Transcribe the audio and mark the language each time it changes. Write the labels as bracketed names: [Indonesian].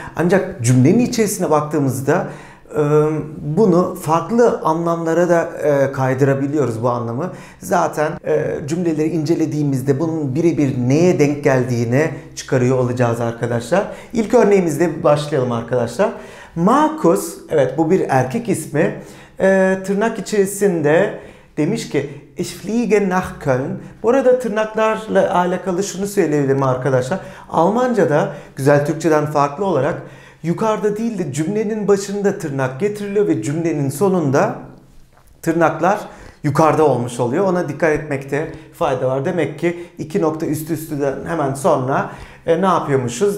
[Turkish] Ancak cümlenin içerisine baktığımızda bunu farklı anlamlara da kaydırabiliyoruz bu anlamı. Zaten cümleleri incelediğimizde bunun birebir neye denk geldiğini çıkarıyor olacağız arkadaşlar. İlk örneğimizle başlayalım arkadaşlar. Markus, evet bu bir erkek ismi. Tırnak içerisinde demiş ki [German] Ich fliege nach Köln. [Turkish] Burada tırnaklarla alakalı şunu söyleyebilirim arkadaşlar. Almanca'da güzel Türkçeden farklı olarak yukarıda değil de cümlenin başında tırnak getiriliyor ve cümlenin sonunda tırnaklar yukarıda olmuş oluyor. Ona dikkat etmekte fayda var. Demek ki iki nokta üst üsteden hemen sonra ne yapıyormuşuz?